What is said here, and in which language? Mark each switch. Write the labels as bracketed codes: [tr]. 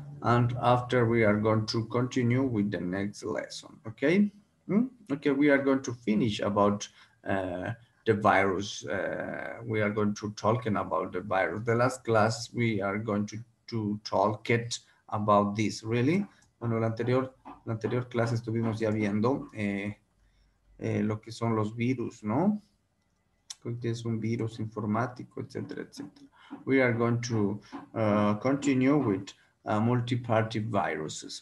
[en] And after we are going to continue with the next lesson, okay? Okay, we are going to finish about the virus. We are going to talking about the virus. The last class we are going to talk it about this, really. [es] Bueno, la anterior clase estuvimos ya viendo lo que son los virus, ¿no? Porque es un virus informático, etcétera, etcétera. [en] We are going to continue with multi-party viruses.